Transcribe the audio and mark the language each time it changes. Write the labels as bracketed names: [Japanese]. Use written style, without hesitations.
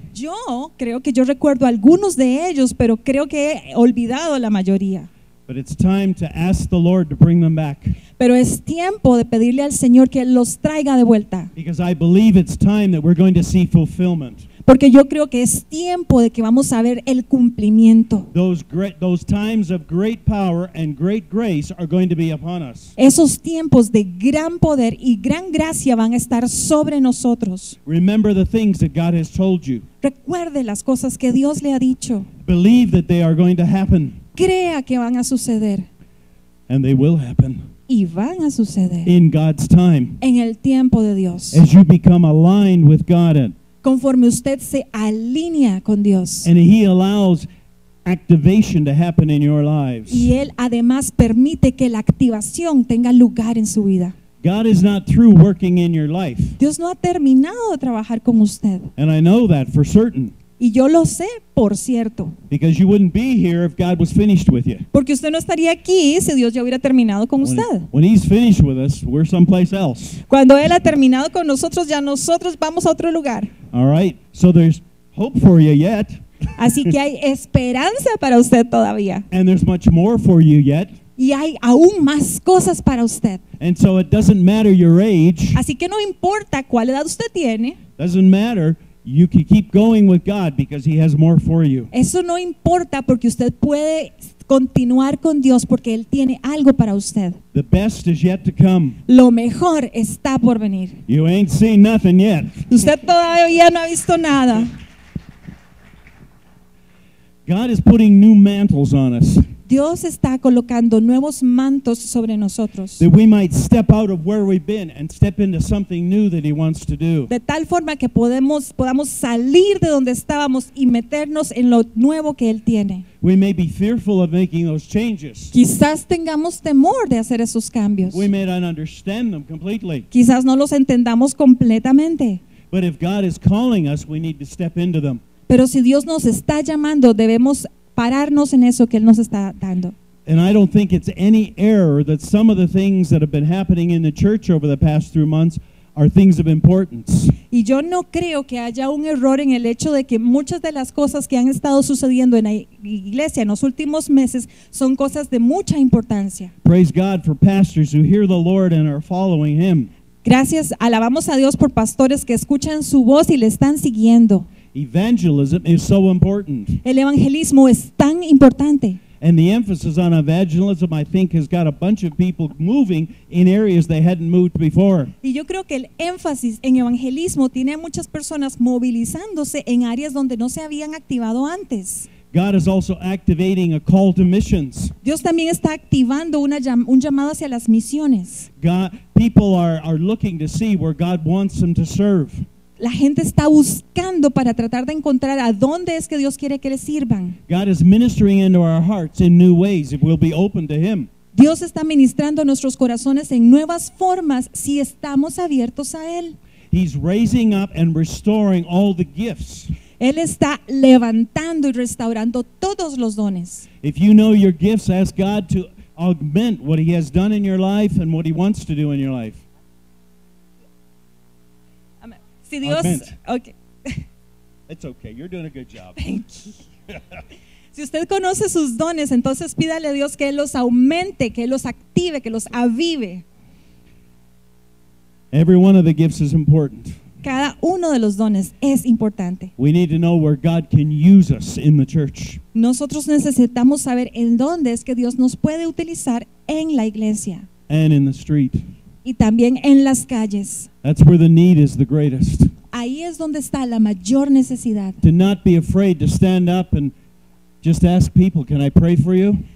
[Spanish] Yo creo que yo recuerdo algunos de ellos, pero creo que he olvidado la mayoría. [English] But it's time to ask the Lord to bring them back. [Spanish] Pero es tiempo de pedirle al Señor que los traiga de vuelta. [English] Because I believe it's time that we're going to see fulfillment. [Spanish] Porque yo creo que es tiempo de que vamos a ver el cumplimiento. [English] Those times of great power and great grace are going to be upon us. [Spanish] Esos tiempos de gran poder y gran gracia van a estar sobre nosotros. [English] Remember the things that God has told you. [Spanish] Recuerde las cosas que Dios le ha dicho. [English] Believe that they are going to happen. [Spanish] Crea que van a suceder. [English] And they will happen. [Spanish] Y van a suceder. [English] In God's time. [Spanish] En el tiempo de Dios. [English] As you become aligned with God. [Spanish] Conforme usted se alinea con Dios. [English] And he allows activation to happen in your lives. [Spanish] Y él además permite que la activación tenga lugar en su vida. [English] God is not through working in your life. [Spanish] Dios no ha terminado de trabajar con usted. [English] And I know that for certain. [Spanish] Y yo lo sé, por cierto. [English] Because you wouldn't be here if God was finished with you. [Spanish] Porque usted no estaría aquí si Dios ya hubiera terminado con usted. [English] When he's finished with us, we're someplace else. [Spanish] Cuando él ha terminado con nosotros, ya nosotros vamos a otro lugar. [English] All right. So there's hope for you yet. [Spanish] Así que hay esperanza para usted todavía. [English] And there's much more for you yet. [Spanish] Y hay aún más cosas para usted. [English] And so it doesn't matter your age. [Spanish] Así que no importa cuál edad usted tiene. [English] Doesn't matter. You can keep going with God because he has more for you. [Spanish] Eso no importa porque usted puede continuar con Dios porque él tiene algo para usted. [English] The best is yet to come. [Spanish] Lo mejor está por venir. [English] You ain't seen nothing yet. [Spanish] Usted todavía no ha visto nada. [English] God is putting new mantles on us. [Spanish] Dios está colocando nuevos mantos sobre nosotros. [English] That we might step out of where we've been and step into something new that he wants to do. [Spanish] De tal forma que podamos salir de donde estábamos y meternos en lo nuevo que él tiene. [English] We may be fearful of making those changes. [Spanish] Quizás tengamos temor de hacer esos cambios. [English] We may not understand them completely. [Spanish] Quizás no los entendamos completamente. [English] But if God is calling us, we need to step into them. [Spanish] Pero si Dios nos está llamando, debemos pararnos en eso que él nos está dando. [English] And I don't think it's any error that some of the things that have been happening in the church over the past 3 months are things of importance. [Spanish] Y yo no creo que haya un error en el hecho de que muchas de las cosas que han estado sucediendo en la iglesia en los últimos meses son cosas de mucha importancia. [English] Praise God for pastors who hear the Lord and are following him. [Spanish] Gracias, alabamos a Dios por pastores que escuchan su voz y le están siguiendo. [English] Evangelism is so important. [Spanish] El evangelismo es tan importante. [English] And the emphasis on evangelism, I think, has got a bunch of people moving in areas they hadn't moved before. [Spanish] Y yo creo que el énfasis en evangelismo tiene a muchas personas movilizándose en áreas donde no se habían activado antes. [English] God is also activating a call to missions. [Spanish] Dios también está activando un llamado hacia las misiones. [English] People are looking to see where God wants them to serve. [Spanish] La gente está buscando para tratar de encontrar a dónde es que Dios quiere que le sirvan. [English] God is ministering into our hearts in new ways if we'll be open to him. [Spanish] Dios está ministrando nuestros corazones en nuevas formas si estamos abiertos a él. [English] He's raising up and restoring all the gifts. [Spanish] Él está levantando y restaurando todos los dones. [English] If you know your gifts, ask God to augment what he has done in your life and what he wants to do in your life. [Spanish] Si Dios, okay. [English] It's okay. You're doing a good job. Thank you. [Spanish] Si usted conoce sus dones, entonces pídale a Dios que los aumente, que los active, que los avive. [English] Every one of the gifts is important. [Spanish] Cada uno de los dones es importante. [English] We need to know where God can use us in the church. [Spanish] Nosotros necesitamos saber en dónde es que Dios nos puede utilizar en la iglesia. [English] And in the street. [Spanish] Y también en las calles. [English] That's where the need is the greatest. [Spanish] Ahí es donde está la mayor necesidad. [English] To not be afraid to stand up and just ask people, can I pray for you?